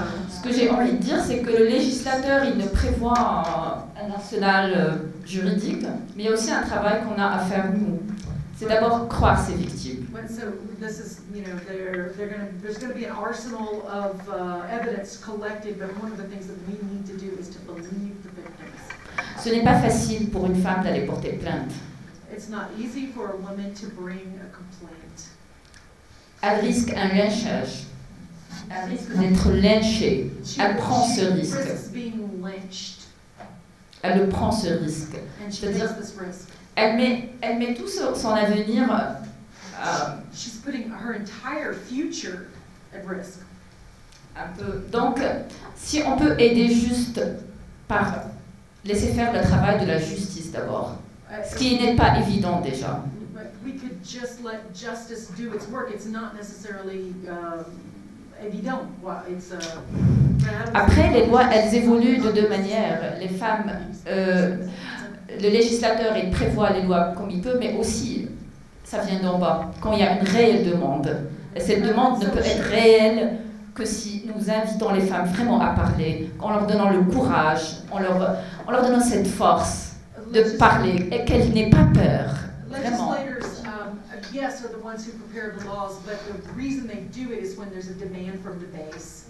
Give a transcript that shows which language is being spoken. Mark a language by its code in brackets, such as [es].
[fr] Ce que j'ai envie de dire, c'est que le législateur, il ne prévoit un arsenal juridique, mais il y a aussi un travail qu'on a à faire nous. C'est d'abord croire ces victimes. [en] So this is, you know, there's going to be an arsenal of evidence collected, but one of the things that we need to do is to believe the victims. [fr] Ce n'est pas facile pour une femme d'aller porter plainte. [en] It's not easy for a woman to bring a complaint. [fr] Elle risque un lynchage. Elle risque d'être lynchée. Elle prend ce risque. [en] She risks being lynched. [fr] Elle prend ce risque. [en] And she takes this risk. [fr] Elle met tout son avenir. [en] She's putting her entire future at risk. [fr] Un peu. Donc, si on peut aider juste par laisser faire le travail de la justice d'abord, ce qui n'est pas évident déjà. [en] But we could just let justice do its work. It's not necessarily évident. Well, it's a [fr] Après, les lois, elles évoluent de deux manières. Les femmes. Le législateur, il prévoit les lois comme il peut, mais aussi, ça vient d'en bas, quand il y a une réelle demande. Et cette demande ne peut être réelle que si nous invitons les femmes vraiment à parler, en leur donnant le courage, en leur donnant cette force de parler, et qu'elles n'aient pas peur, vraiment. [en] Yes, are the ones who prepare the laws, but the reason they do it is when there's a demand from the base.